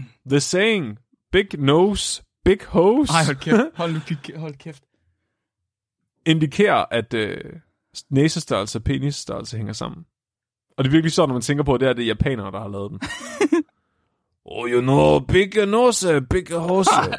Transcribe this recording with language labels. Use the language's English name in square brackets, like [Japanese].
[English] The saying, big nose, big hose. [Danish] Ej, hold kæft. Hold kæft. Indikerer, at næsestørrelse og penisstørrelse hænger sammen. Og det er virkelig sådan, når man tænker på, at det er det japanere, der har lavet den. [English] Oh, you know, big nose, big hose.